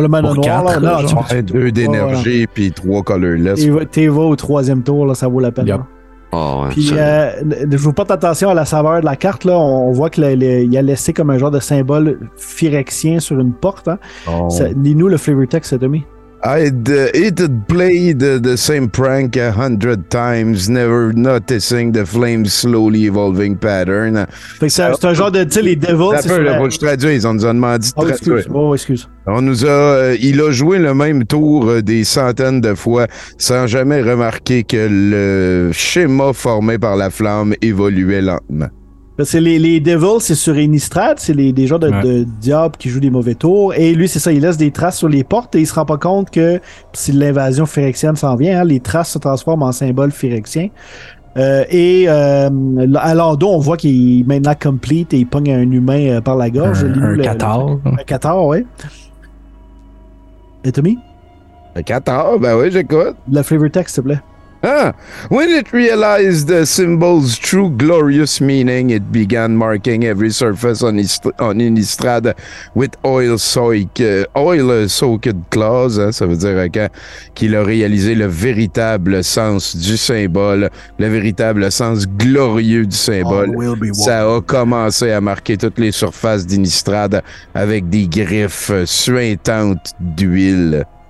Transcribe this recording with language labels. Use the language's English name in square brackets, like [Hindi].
[French] le mana noir, 4, là, genre, genre, deux d'énergie et ouais. [English] 3 colorless. [French] T'es va au troisième tour, là, ça vaut la peine. Yep. Oh, ouais, puis, je vous porte attention à la saveur de la carte. Là, on voit qu'il a laissé comme un genre de symbole phyrexien sur une porte. Hein. Oh. Lis-nous le flavor text, Tommy. [English] It'd play the same prank 100 times, never noticing the flame's slowly evolving pattern. [French] Fait que c'est un genre de. Tu sais, les devils. Faut que je traduise, on nous a demandé de traduire. Oh, excuse. On nous a. Il a joué le même tour des centaines de fois sans jamais remarquer que le schéma formé par la flamme évoluait lentement. C'est les devils, c'est sur Innistrad, c'est des genres de diables qui jouent des mauvais tours. Et lui, c'est ça, il laisse des traces sur les portes et il se rend pas compte que si l'invasion phyrexienne s'en vient, hein, les traces se transforment en symbole phyrexien. À Lando, on voit qu'il est maintenant complete et il pogne un humain par la gorge. Un 14, oui. Et Tommy? Un 14, ben oui, j'écoute. Le flavor text, s'il te plaît. [English] When it realized the symbol's true glorious meaning, it began marking every surface on Innistrad with oil-soaked claws. [French] Hein, ça veut dire qu'il a réalisé le véritable sens du symbole, le véritable sens glorieux du symbole. Ça a commencé à marquer toutes les surfaces d'Innistrad avec des griffes suintantes d'huile.